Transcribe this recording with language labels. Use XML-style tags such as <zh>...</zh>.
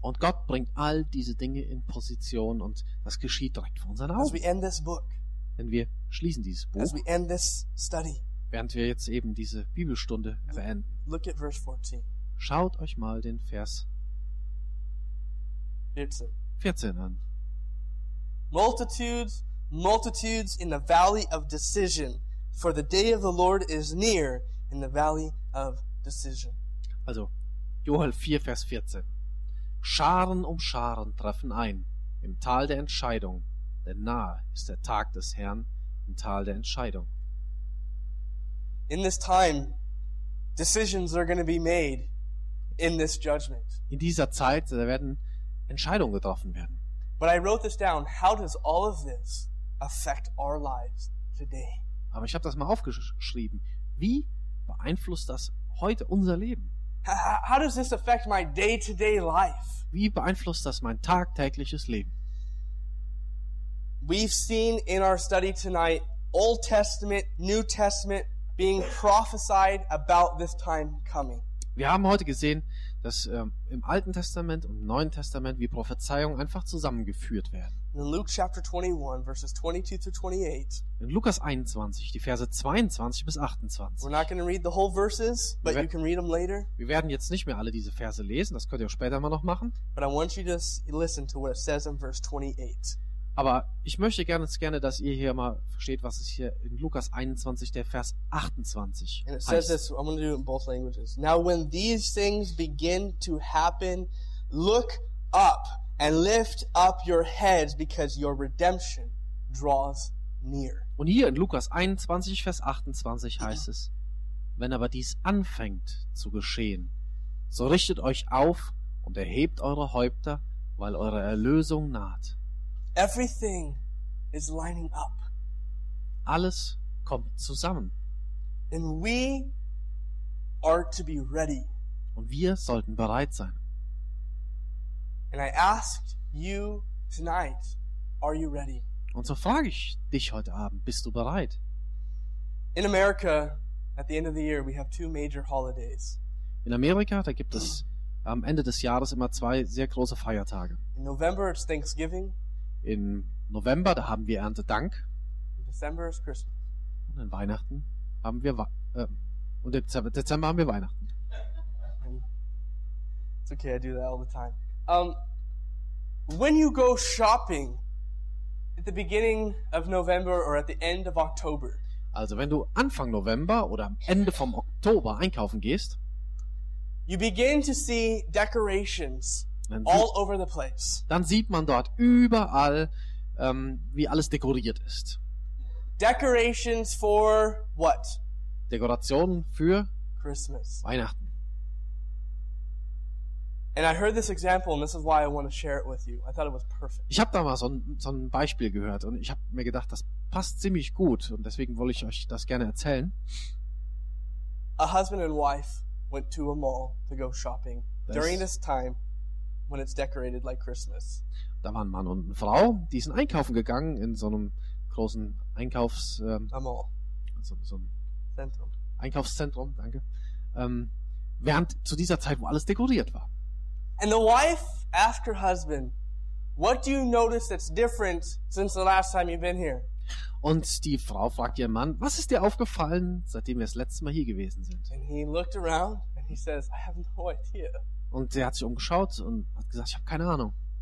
<de>Und Gott bringt all diese Dinge in Position und das geschieht direkt vor unseren Augen.</de> <en>As we end this book.</en> <de>Wenn wir schließen dieses Buch.</de> <en>As we end this study.</en> <de>Während wir jetzt eben diese Bibelstunde beenden.</de> <en>Look at verse 14.</en> <de>Schaut euch mal den Vers 14 an.</de> <en>Multitudes, multitudes in the valley of decision, for the day of the Lord is near in the valley of decision.</en> <de>Also, Joel 4, Vers 14. Scharen um Scharen treffen ein im Tal der Entscheidung, denn nahe ist der Tag des Herrn im Tal der Entscheidung.</de> <en>In this time, decisions are going to be made in this judgment.</en> <de>In dieser Zeit, da werden Entscheidungen getroffen werden.</de> <en>But I wrote this down. How does all of this affect our lives today?</en> <de>Aber ich habe das mal aufgeschrieben. Wie beeinflusst das heute unser Leben?</de> <en>How does this affect my day-to-day life?</en> <de>Wie beeinflusst das mein tagtägliches Leben?</de> <en>We've seen in our study tonight Old Testament, New Testament being prophesied about this time coming.</en> <de>Wir haben heute gesehen, dass im Alten Testament und im Neuen Testament wie Prophezeiungen einfach zusammengeführt werden.</de> <en>In Luke chapter 21 verses 22 through 28.</en> <de>In Lukas 21, die Verse 22 bis 28.</de> <en>We're not going to read the whole verses, but you can read them later.</en> <de>Wir werden jetzt nicht mehr alle diese Verse lesen, das könnt ihr auch später mal noch machen.</de> <en>But I want you to listen to what it says in verse 28.</en> <de>Aber ich möchte gerne, dass ihr hier mal versteht, was es hier in Lukas 21, der Vers 28</de> <en>and it</en> <de>heißt.</de> <en>Says this, I'm going to do it in both languages. Now when these things begin to happen, look up and lift up your heads, because your redemption draws near.</en> <de>Und hier in Lukas 21, Vers 28 heißt es, wenn aber dies anfängt zu geschehen, so richtet euch auf und erhebt eure Häupter, weil eure Erlösung naht.</de> <en>Everything is lining up.</en> <de>Alles kommt zusammen.</de> <en>And we are to be ready.</en> <de>Und wir sollten bereit sein.</de> <en>And I asked you tonight, are you ready?</en> <de>Und so frage ich dich heute Abend, bist du bereit?</de> <en>In America, at the end of the year, we have two major holidays.</en> <de>In Amerika, da gibt es am Ende des Jahres immer zwei sehr große Feiertage.</de> <en>In November it's Thanksgiving.</en> <de>In November, da haben wir Erntedank.</de> <en>In December is Christmas.</en> <de>Und in Weihnachten haben wir und im Dezember haben wir Weihnachten.</de> <en>It's okay, I do that all the time. When you go shopping at the beginning of November or at the end of October.</en> <de>Also, wenn du Anfang November oder am Ende vom Oktober einkaufen gehst,</de> <en>you begin to see decorations. All over the place.</en> <de>Dann sieht man dort überall, wie alles dekoriert ist.</de> <en>Decorations for what?</en> <de>Dekorationen für</de> <en>Christmas.</en> <de>Weihnachten.</de> <en>And I heard this example, and this is why I want to share it with you. I thought it was perfect.</en> <de>Ich habe da mal so ein Beispiel gehört und ich habe mir gedacht, das passt ziemlich gut und deswegen wollte ich euch das gerne erzählen.</de> <en>A husband and wife went to a mall to go shopping during this time. When it's decorated like Christmas.</en> <de>Da waren Mann und eine Frau, die sind einkaufen gegangen in so einem großen Einkaufs</de> <en>Mall.</en> <de>So ein Zentrum. Einkaufszentrum, danke. Während zu dieser Zeit, wo alles dekoriert war.</de> <en>And the wife asked her husband, "What do you notice that's different since the last time you've been here?"</en> <de>Und die Frau fragt ihren Mann, "Was ist dir aufgefallen, seitdem wir das letzte Mal hier gewesen sind?"</de> <en>And he looked around and he says, "I have no idea."</en> <de>Und er hat sich umgeschaut und hat gesagt, ich habe keine Ahnung.</de>